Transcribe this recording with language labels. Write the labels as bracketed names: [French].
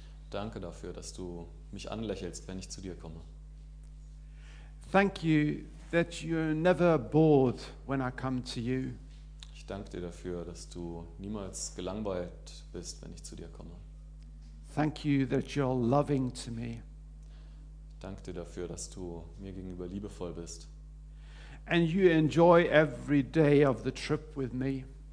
[German] Danke dafür, dass du mich anlächelst, wenn ich zu dir komme. [English] Thank you that you're never bored when I come to you. [German] Ich danke dir dafür, dass du niemals gelangweilt bist, wenn ich zu dir komme. [English] Thank you that you're loving to me. [German] Danke dir dafür, dass du mir gegenüber liebevoll bist. [English] And you enjoy every day of the trip with me.